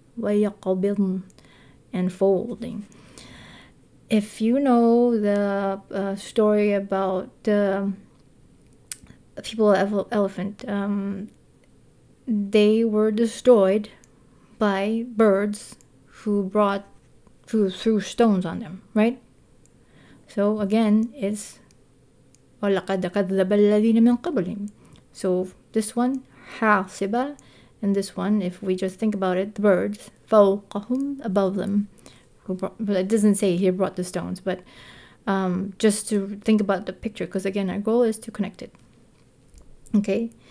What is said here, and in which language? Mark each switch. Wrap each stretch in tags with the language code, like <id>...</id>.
<en>وَيَقَبِضْن, and folding. If you know the story about the people of elephant, they were destroyed by birds who brought threw stones on them, right? So again, it's</en> <ar>وَلَقَدْ كَذَّبَ الَّذِينَ مِنْ قَبْلِهِمْ.</ar> <en>So this one, حَاسِبَ, and this one, if we just think about it, the birds, فَوْقَهُمْ, above them, who brought, but it doesn't say he brought the stones, but just to think about the picture, because again, our goal is to connect it. Okay?</en>